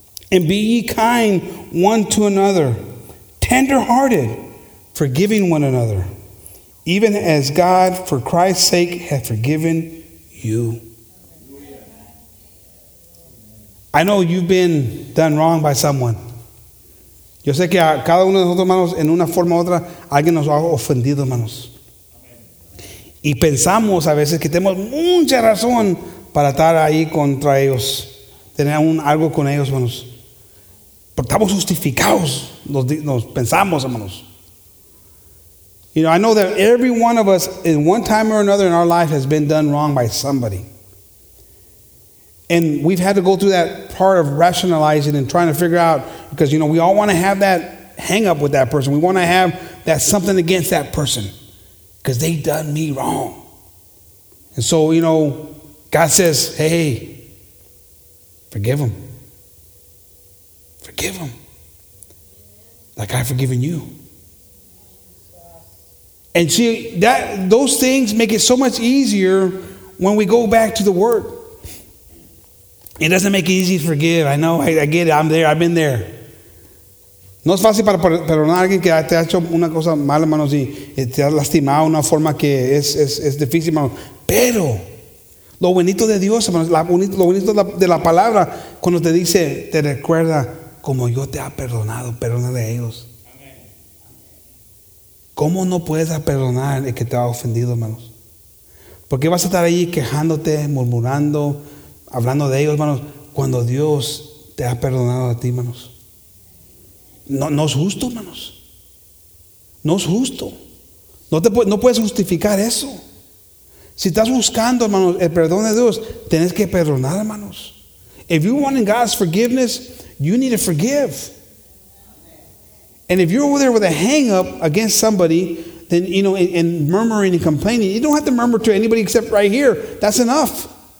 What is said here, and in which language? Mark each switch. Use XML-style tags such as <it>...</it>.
<en>And be ye kind one to another, tenderhearted, forgiving one another, even as God for Christ's sake hath forgiven you. I know you've been done wrong by someone.</en> <es>Yo sé que a cada uno de nosotros, hermanos, en una forma u otra, alguien nos ha ofendido, hermanos. Y pensamos a veces que tenemos mucha razón para estar ahí contra ellos. Tener algo con ellos, hermanos. Pero estamos justificados, nos pensamos, hermanos.</es> <en>You know, I know that every one of us, in one time or another in our life, has been done wrong by somebody. And we've had to go through that part of rationalizing and trying to figure out, because, you know, we all want to have that hang up with that person. We want to have that something against that person. Because they done me wrong. And so, you know, God says, hey, forgive them. Forgive them. Like I've forgiven you. And see, that those things make it so much easier when we go back to the Word. It doesn't make it easy to forgive. I know, I get it. I'm there. I've been there.</en> <es>No es fácil para perdonar a alguien que te ha hecho una cosa mala, hermanos, y te ha lastimado de una forma que es difícil, hermanos. Pero lo bonito de Dios, hermanos, lo bonito de la palabra, cuando te dice, te recuerda como yo te he perdonado, perdónale a ellos. ¿Cómo no puedes perdonar el que te ha ofendido, hermanos? ¿Por qué vas a estar ahí quejándote, murmurando, hablando de ellos, hermanos, cuando Dios te ha perdonado a ti, hermanos? No es justo, hermanos. No es justo. No puedes justificar eso. Si estás buscando, hermanos, el perdón de Dios, tienes que perdonar, hermanos.</es> <en>If you're wanting God's forgiveness, you need to forgive. And if you're over there with a hang up against somebody, then, you know, and murmuring and complaining, you don't have to murmur to anybody except right here. That's enough.</en>